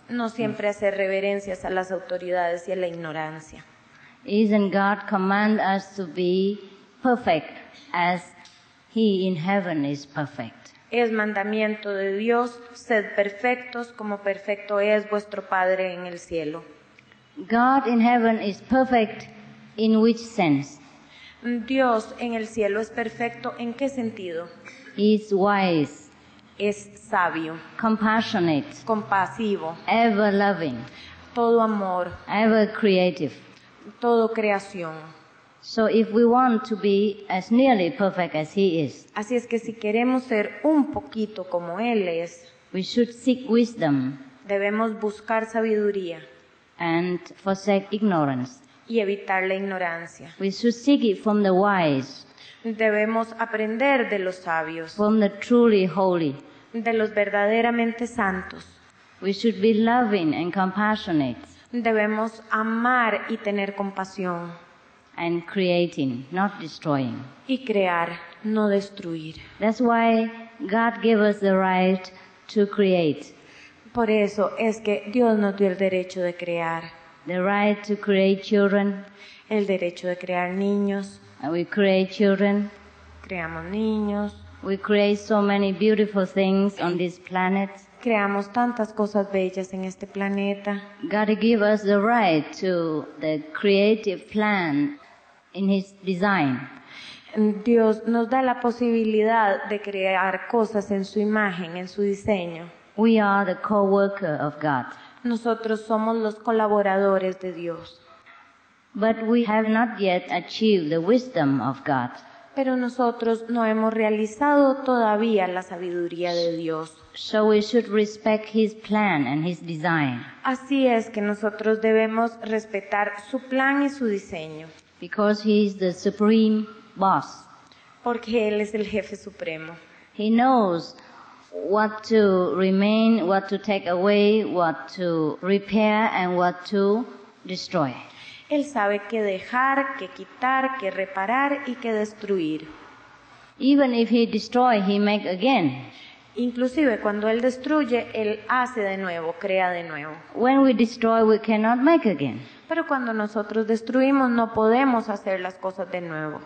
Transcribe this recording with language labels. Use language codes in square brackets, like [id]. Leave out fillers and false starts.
[es] No siempre hacer reverencias a las autoridades y a la ignorancia. [en] Isn't God command us to be perfect as He in heaven is perfect? [es] Es mandamiento de Dios, sed perfectos como perfecto es vuestro Padre en el cielo. [en] God in heaven is perfect in which sense? [es] Dios en el cielo es perfecto ¿en qué sentido? [en] Is wise. [es] Es sabio. [en] Compassionate. [es] Compasivo. [en] Ever loving. [es] Todo amor. [en] Ever creative. [es] Todo creación. [en] So if we want to be as nearly perfect as He is, [es] así es que si queremos ser un poquito como Él es, [en] we should seek wisdom, [es] debemos buscar sabiduría, [en] and forsake ignorance, [es] y evitar la ignorancia. [en] We should seek it from the wise, [es] debemos aprender de los sabios, [en] from the truly holy, [es] de los verdaderamente santos. [en] We should be loving and compassionate, [es] debemos amar y tener compasión. [en] And creating, not destroying. [es] Y crear, no destruir. [en] That's why God gave us the right to create. [es] Por eso es que Dios nos dio el derecho de crear. [en] The right to create children. [es] El derecho de crear niños. [en] And we create children. [es] Creamos niños. [en] We create so many beautiful things on this planet. [es] Creamos tantas cosas bellas en este planeta. [en] God gave us the right to the creative plan in His design. [es] Dios nos da la posibilidad de crear cosas en su imagen, en su diseño. [en] We are the co-worker of God. [es] Nosotros somos los colaboradores de Dios. [en] But we have not yet achieved the wisdom of God. [es] Pero nosotros no hemos realizado todavía la sabiduría de Dios. [en] So we should respect His plan and His design. [es] Así es que nosotros debemos respetar su plan y su diseño. [en] Because He is the supreme boss. [es] Porque él es el jefe supremo. [en] He knows what to remain, what to take away, what to repair and what to destroy. [es] Él sabe qué dejar, qué quitar, qué reparar y qué destruir. [en] Even if he destroy, he make again. [es] Inclusive cuando él destruye, él hace de nuevo, crea de nuevo. [en] When we destroy, we cannot make again. [es] Pero cuando nosotros destruimos, no podemos hacer las cosas de nuevo.